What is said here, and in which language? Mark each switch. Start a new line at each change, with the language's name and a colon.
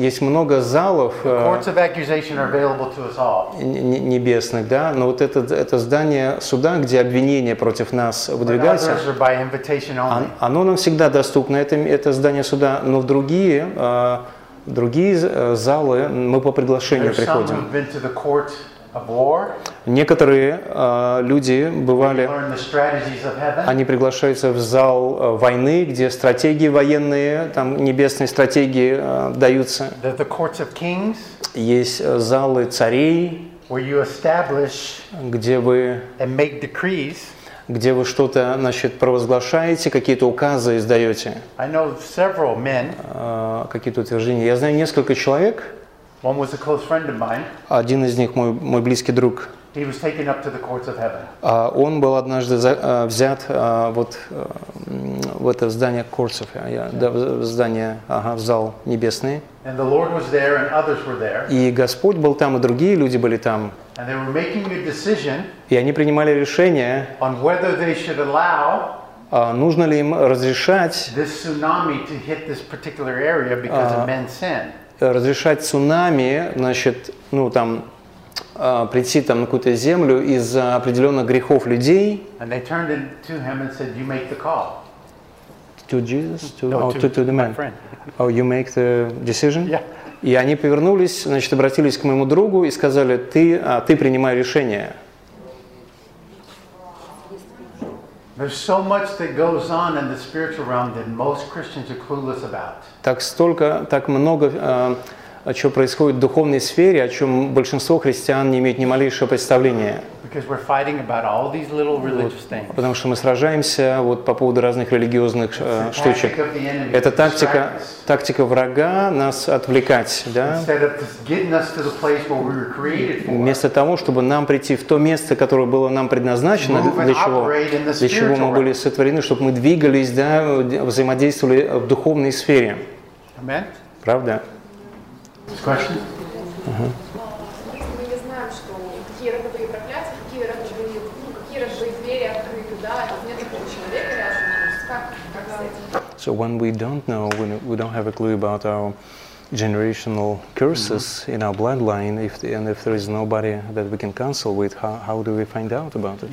Russian: Есть много залов небесных, да, но вот это здание суда, где обвинение против нас выдвигается,
English: others are by invitation only.
Russian: Оно нам всегда доступно, это здание суда, но в другие залы мы по приглашению приходим.
English: There's some who've been to the court of war.
Russian: Некоторые люди бывали, они приглашаются в зал войны, где стратегии военные, там небесные стратегии даются.
English: The courts of kings,
Russian: есть залы царей,
English: where you establish and make decrees,
Russian: где вы что-то, значит, провозглашаете, какие-то указы издаете.
English: I know several men,
Russian: какие-то утверждения. Я знаю несколько человек.
English: One was a close friend of mine.
Russian: Один из них мой близкий друг.
English: He was taken up to the courts of heaven.
Russian: Он был однажды взят вот в это здание
English: courts of heaven,
Russian: в здание, в зал небесный.
English: And the Lord was there and others were there.
Russian: И Господь был там, и другие люди были там.
English: And they were making a decision.
Russian: И они принимали решение.
English: On whether they should allow.
Russian: Нужно ли им разрешать?
English: This tsunami to hit this particular area because of men's sin.
Russian: Разрешать цунами, значит, ну там прийти там на какую-то землю из-за определенных грехов людей.
English: And they turned it to him and said, "You make the call." To Jesus, to the man. Oh, you make the decision. Yeah.
Russian: И они повернулись, значит, обратились к моему другу и сказали: "Ты принимай решение."
English: There's so much that goes on in the spiritual realm that most Christians are clueless about.
Russian: Так много, что происходит в духовной сфере, о чем большинство христиан не имеет ни малейшего представления.
English: Because we're fighting about all these little religious things.
Russian: Потому что мы сражаемся вот по поводу разных религиозных штучек. Это тактика врага нас отвлекать, да?
English: Instead of getting us to the place where we were created for.
Russian: Вместо того, чтобы нам прийти в то место, которое было нам предназначено, для чего мы были сотворены, чтобы мы двигались, да, взаимодействовали в духовной сфере.
English: Amen.
Russian: Правда? Если мы не знаем, что какие родовые проклятия, какие родовые, ну какие рожи двери открыты, да, нет такого человека рядом, как с этим?
English: So when we don't know, when we don't have a clue about our generational curses in our bloodline, if there is nobody that we can counsel with, how do we find out about it?